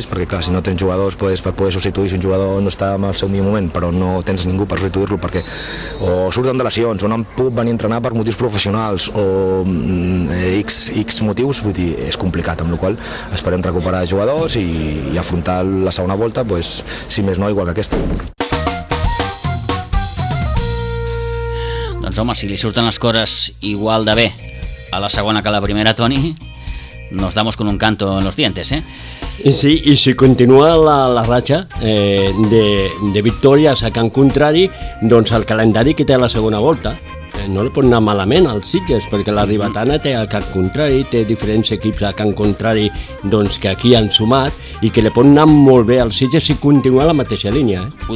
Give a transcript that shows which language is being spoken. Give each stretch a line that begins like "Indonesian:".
Catalan: substituïs, perquè clar, si no tens jugadors, pues, per poder substituir si un jugador no està en el seu millor moment, però no tens ningú per substituir-lo, perquè o surten de lesions, o no han pogut venir a entrenar per motius professionals, o X motius, vull dir, és complicat, amb la qual esperem recuperar jugadors i afrontar la segona volta, pues, si més no, igual que aquesta. Doncs home, si li surten les coses igual de bé a la segona que a la primera, Toni,
Spanish: nos damos con un canto en los dientes, ¿eh?
Catalan: Sí, i si continua la ratxa de victòries a can contrari, doncs el calendari que té a la segona volta no li pot anar malament als Sitges, perquè la Ribatana té a can contrari, té diferents equips a can contrari, doncs, que aquí han sumat, i que li pot anar molt bé als Sitges si continua la mateixa línia, eh?